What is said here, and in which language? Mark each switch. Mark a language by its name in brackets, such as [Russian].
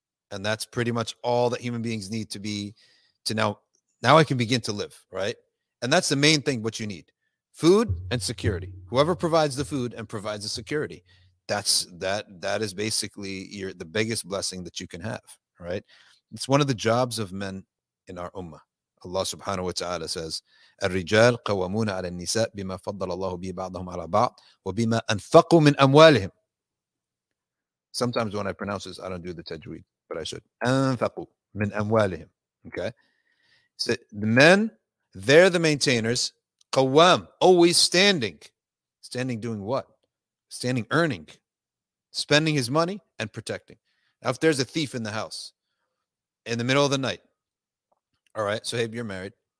[English] And that's pretty much all that human beings need to be to now I can begin to live, right? And that's the main thing what you need. Food and security. Whoever provides the food and provides the security, that is basically the biggest blessing that you can have, right? It's one of the jobs of men in our ummah. Allah subhanahu wa ta'ala says, [Arabic] الرجال قوامون على النساء بما فضل الله به بعضهم على بعض وبما أنفقوا من أموالهم. [English] Sometimes when I pronounce this, I don't do the tajweed, but I should. [Arabic] أنفقوا من أموالهم. [English] Okay. So the men, they're the maintainers. قوام, always standing. Standing doing what? Standing earning. Spending his money and protecting. Now if there's a thief in the house, in the middle of the night, all right, so hey, you're married.